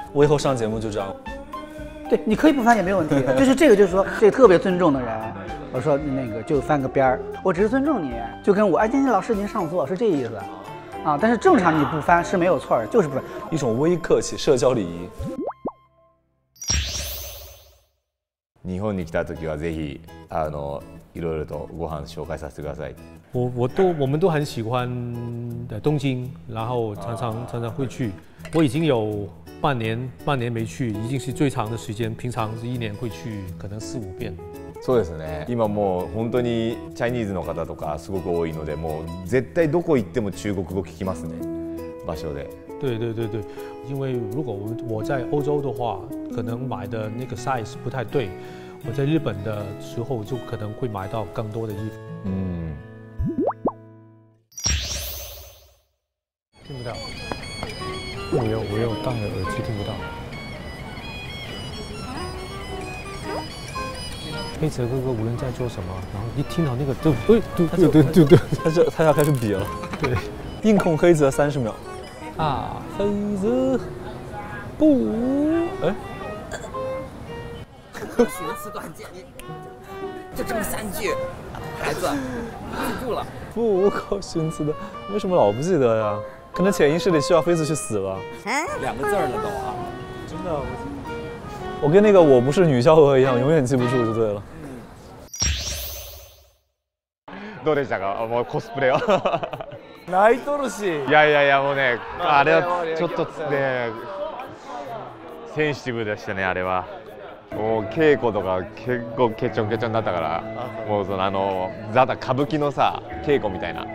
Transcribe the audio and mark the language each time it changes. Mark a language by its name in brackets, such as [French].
[Chinese] 我以后上节目就这样。对，你可以不翻也没问题。就是这个，就是说，这个特别尊重的人，我说那个就翻个边儿，我只是尊重你，就跟我哎，今天老师您上座是这意思啊？但是正常你不翻是没有错的，就是不翻，一种微客气社交礼仪。 [Japanese] 日本に来た時はぜひあのいろいろとご飯紹介させてください。 [Chinese] 我们都很喜欢的东京，然后常常会去。我已经有半年没去，已经是最长的时间。平常是一年会去可能四五遍。 [Japanese] そうですね。今もう本当にチャイニーズの方とかすごく多いので、もう絶対どこ行っても中国語聞きますね。場所で。 [Chinese] 对对对对，因为如果我在欧洲的话，可能买的那个 size 不太对。我在日本的时候就可能会买到更多的衣服。嗯。听不到。我又当了耳机听不到。黑泽哥哥无论在做什么，然后一听到那个就，哎，对，他要开始比了。对，硬控黑泽三十秒。啊，黑泽，不，哎，寻词短见，你就这么三句，孩子，记住了。不，我靠，寻词的，为什么老不记得呀？可能潜意识里需要黑泽去死了。两个字儿了都啊，真的，我跟那个我不是女校友一样，永远记不住就对了。 [Japanese] どうでしたか？もうコスプレよ。泣いとるし。いやいやいや、もうね、あれはちょっとね、センシティブでしたね、あれは。もう稽古とか結構ケチョンケチョンだったから、もうそのあのザタ歌舞伎のさ稽古みたいな。